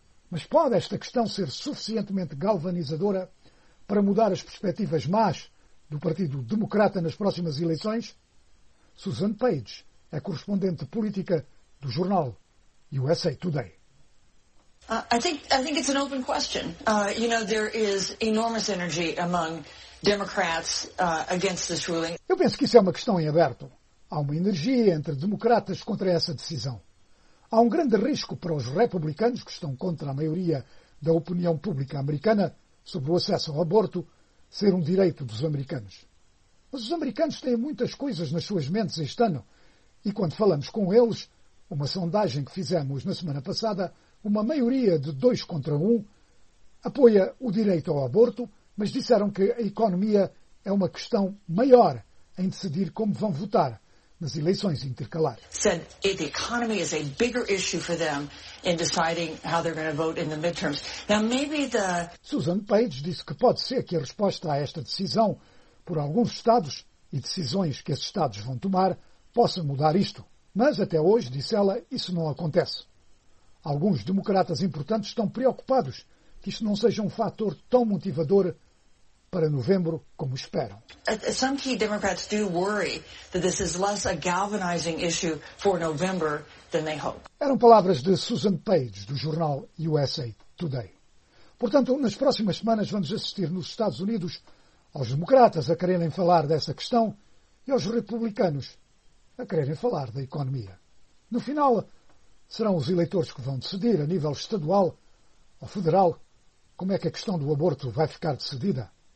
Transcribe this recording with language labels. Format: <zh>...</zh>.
<pt>Mas pode esta questão ser suficientemente galvanizadora para mudar as perspectivas más do Partido Democrata nas próximas eleições? Susan Page é correspondente política do jornal USA Today.</pt> <en>I think it's an open question. You know, there is enormous energy among Democrats against this ruling.</en> <pt>Eu penso que isso é uma questão em aberto. Há uma energia entre democratas contra essa decisão. Há um grande risco para os republicanos, que estão contra a maioria da opinião pública americana, sobre o acesso ao aborto ser um direito dos americanos. Mas os americanos têm muitas coisas nas suas mentes este ano. E quando falamos com eles, uma sondagem que fizemos na semana passada, uma maioria de 2-1 apoia o direito ao aborto, mas disseram que a economia é uma questão maior em decidir como vão votar nas eleições intercalares.</pt> <en>The economy is a bigger issue for them in deciding how they're going to vote in the midterms. Now maybe the</en> <pt>Susan Page disse que pode ser que a resposta a esta decisão por alguns estados e decisões que esses estados vão tomar possa mudar isto. Mas até hoje, disse ela, isso não acontece. Alguns democratas importantes estão preocupados que isto não seja um fator tão motivador para novembro, como esperam.</pt> <en>Some key Democrats do worry that this is less a galvanizing issue for November than they hope.</en> <pt>Eram palavras de Susan Page, do jornal USA Today. Portanto, nas próximas semanas vamos assistir nos Estados Unidos aos democratas a quererem falar dessa questão e aos republicanos a quererem falar da economia. No final, serão os eleitores que vão decidir, a nível estadual ou federal, como é que a questão do aborto vai ficar decidida.</pt>